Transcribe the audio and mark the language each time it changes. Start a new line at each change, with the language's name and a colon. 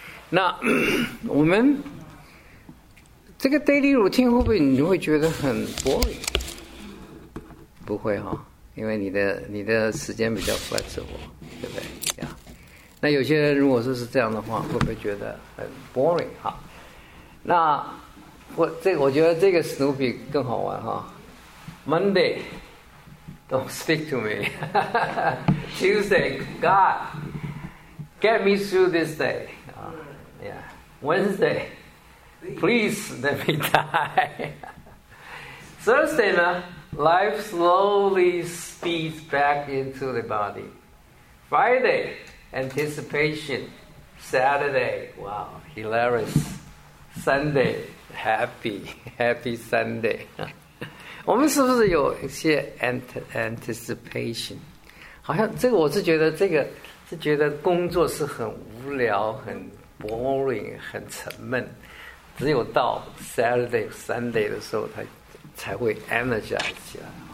Chinese: 那我们这个 daily routine 会不会你会觉得很 boring？不会哈，因为你的时间比较 flexible， 对不对？那有些人如果说是这样的话，会不会觉得很 boring 哈？那我觉得这个 Snoopy 更好玩哈。
English: Monday don't speak to me， Tuesday God get me through this day， yeah， Wednesday please let me die， Thursday 呢 life slowly speeds back into the body， FridayAnticipation, Saturday, wow, hilarious. Sunday, happy Sunday.
Chinese: 我们是不是有一些 anticipation? 好像这个我是觉得这个是觉得工作是很无聊、很 boring、很沉闷，只有到 Saturday, Sunday 的时候，它才会 energize 起来。